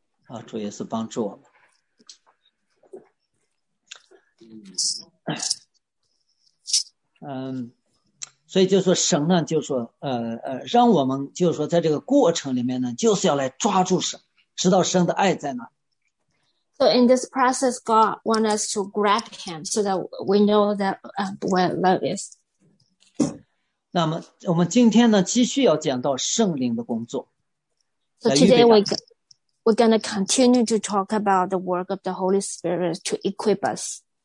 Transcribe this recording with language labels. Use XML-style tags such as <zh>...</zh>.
<zh>就是有时候会停一下，然后才会听到下一句。我也不知道是不是我的问题啊。大家也会那样子吗？还是大家听得清吗？阿文，Hello，阿文听得清吗？还可以，我听得清楚。有的时候会断，对，但是还可以，没问题。啊，主也是帮助我们。所以就说神呢，就说，让我们就说在这个过程里面呢，就是要来抓住神，知道神的爱在哪。</zh> <en>So in this process, God wants us to grab Him so that we know that where love is.</en> <zh>那么我们今天呢，继续要讲到圣灵的工作。</zh> <en>So today we're gonna continue to talk about the work of the Holy Spirit to equip us.</en>